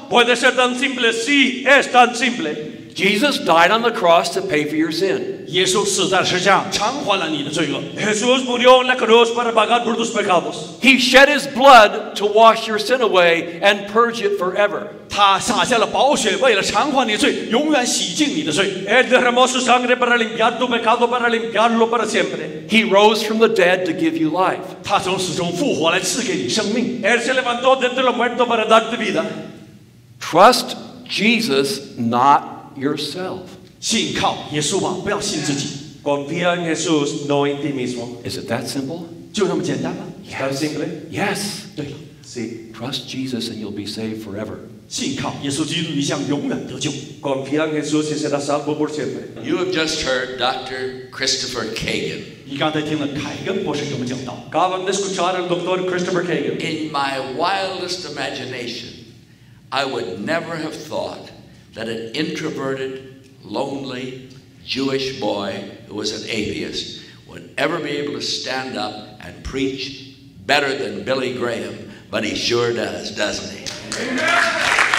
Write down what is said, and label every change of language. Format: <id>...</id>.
<es>Puede ser tan simple, sí, es tan simple.</es> <en>Jesus died on the cross to pay for your sin.</en> <zh>耶稣死在十字架偿还了你的罪恶。</zh> <es>Jesús murió en la cruz para pagar por tus pecados.</es> <en>He shed his blood to wash your sin away and purge it forever.</en> <zh>他洒下了宝血，为了偿还你的罪，永远洗净你的罪。</zh> <es>Él derramó su sangre para limpiar tu pecado, para limpiarlo para siempre.</es> <en>He rose from the dead to give you life.</en> <zh>他从死中复活来赐给你生命。</zh> <es>Él se levantó de entre los muertos para darte vida.</es> <en>Trust Jesus, not yourself.</en> <zh>信靠耶稣吧，不要信自己。</zh> <es>Confía en Jesús, no en ti mismo.</es> <en>Is it that simple?</en> <zh>就那么简单吗？</zh> <en>Yes. Yes.</en> <zh>对了，See.</zh> <en>Trust Jesus and you'll be saved forever.</en> <zh>信靠耶稣基督，你将永远得救。</zh> <es>Confía en Jesús y serás salvo por siempre.</es> <en>You have just heard Dr. Christopher Cagan.</en> <zh>你刚才听了凯根博士给我们讲道。</zh> <es>Acabamos de escuchar al Dr. Christopher Cagan.</es> <en>In my wildest imagination, I would never have thought that an introverted, lonely Jewish boy who was an atheist would ever be able to stand up and preach better than Billy Graham, but he sure does, doesn't he?</en>